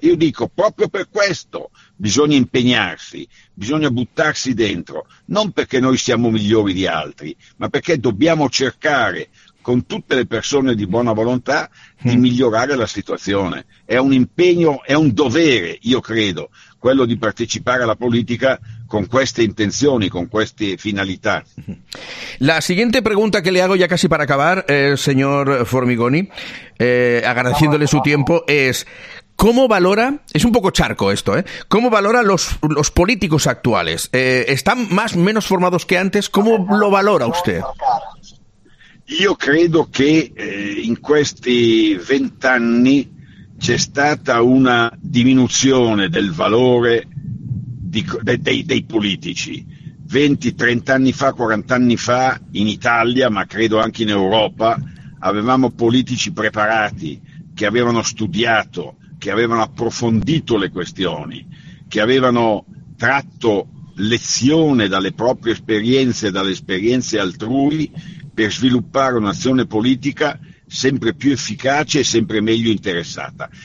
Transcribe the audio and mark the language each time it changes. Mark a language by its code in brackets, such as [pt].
[it] Io dico: proprio per questo bisogna impegnarsi, bisogna buttarsi dentro, non perché noi siamo migliori di altri, ma perché dobbiamo cercare con tutte le persone di buona volontà di migliorare la situazione. È un impegno, è un dovere, io credo, quello di partecipare alla politica con queste intenzioni, con queste finalità. [es] La siguiente pregunta que le hago ya casi para acabar, señor Formigoni, agradeciéndole su tiempo, es: ¿cómo valora, es un poco charco esto, cómo valora los políticos actuales? ¿Están más o menos formados que antes? ¿Cómo lo valora usted? [it] Io credo che in questi 20 anni c'è stata una diminuzione del valore dei politici. 20, 30 anni fa, 40 anni fa, in Italia, ma credo anche in Europa, avevamo politici preparati che avevano studiato, che avevano approfondito le questioni, che avevano tratto lezione dalle proprie esperienze, dalle esperienze altrui, per sviluppare un'azione politica sempre più efficace e sempre meglio interessata.